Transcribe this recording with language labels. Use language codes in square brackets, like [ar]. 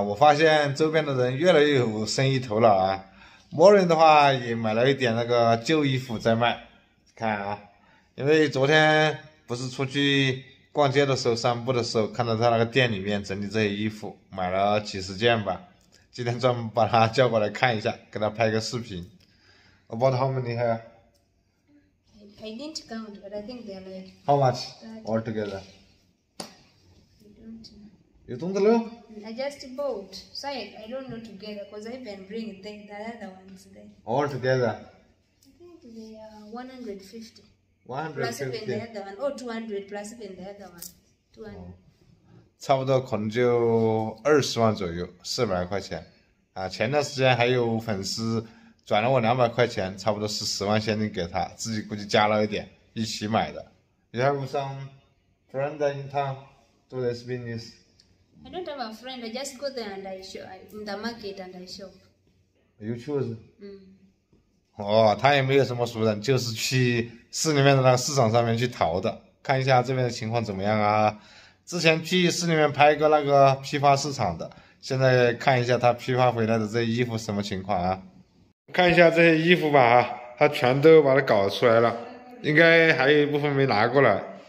[zh] 我发现周边的人越来越有生意头脑啊，某人的话也买了一点那个旧衣服在卖，看啊，因为昨天不是出去逛街的时候、散步的时候，看到他那个店里面整理这些衣服，买了几十件吧，今天专门把他叫过来看一下，给他拍个视频，我不知道他们厉害。 [en] I didn't count, but I think they're like How much that. altogether? I don't know. You don't know? I just bought, so I don't know together because I even bring the other ones there. Altogether. I think they are 150 plus even the other one, or 200 plus even the other one. 200. [zh] 差不多可能就20万左右，400块钱。啊，前段时间还有粉丝转了我200块钱，差不多是10万现金给他，自己估计加了一点，一起买的。 [en] You have some friend in town? Do this business. I don't have a friend, I just go there and I shop in the market and I shop. You choose. [zh] 他也没有什么熟人，就是去市里面的那个市场上面去淘的，看一下这边的情况怎么样啊。之前去市里面拍过那个批发市场的，现在看一下他批发回来的这衣服什么情况啊？看一下这些衣服吧，他全都把它搞出来了，应该还有一部分没拿过来。